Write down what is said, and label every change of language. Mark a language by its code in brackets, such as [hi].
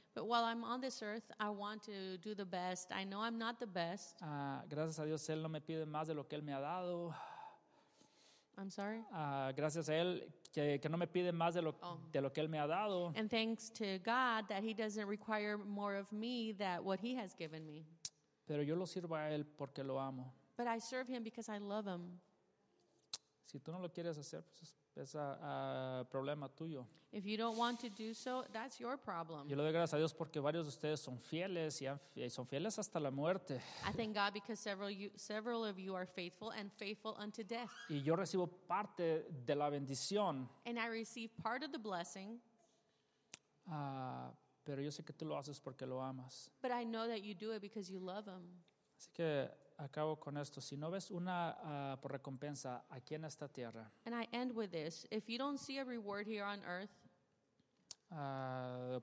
[en] But while I'm on this earth, I want to do the best. I know I'm not the best. [es] Gracias a Dios, él no me pide más de lo que él me ha dado. [en] I'm sorry. [es] Gracias a él que no me pide más de lo que él me ha dado. [en] And thanks to God that he doesn't require more of me than what he has given me. [es] Pero yo lo sirvo a él porque lo amo. [en] But I serve him because I love him. [es] Si tú no lo quieres hacer, pues es problema tuyo. [en] If you don't want to do so, that's your problem. [es] Yo le doy gracias a Dios porque varios de ustedes son fieles y son fieles hasta la muerte. [en] I thank God because several of you are faithful and faithful unto death. [es] Y yo recibo parte de la bendición. [en] And I receive part of the blessing. [es] Pero yo sé que tú lo haces porque lo amas. [en] But I know that you do it because you love him. [es] Así que acabo con esto. Si no ves una por recompensa aquí en esta tierra. [en] And I end with this. If you don't see a reward here on earth,